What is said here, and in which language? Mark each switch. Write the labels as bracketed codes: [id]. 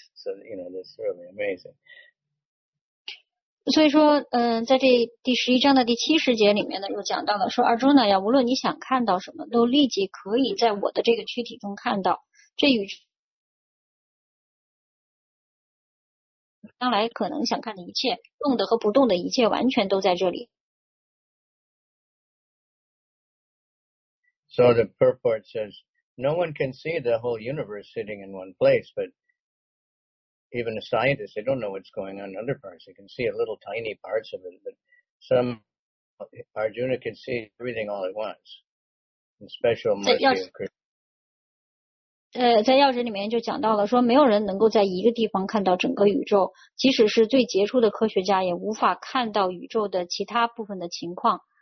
[en] So, you know, this is really amazing. [zh] 所以说在这第十一章的第七十节里面呢，又讲到了说，阿朱呢，要无论你想看到什么，都立即可以在我的这个躯体中看到。这与将来可能想看的一切，动的和不动的一切，完全都在这里。 [en] So the purport says, no one can see the whole universe sitting in one place, but. Even a scientist, they don't know what's going on in other parts. They can see a little tiny parts of it, but some Arjuna can see everything all at once. The special mercy of Krishna. [zh] 在药师里面就讲到了说，没有人能够在一个地方看到整个宇宙，即使是最杰出的科学家也无法看到宇宙的其他部分的情况。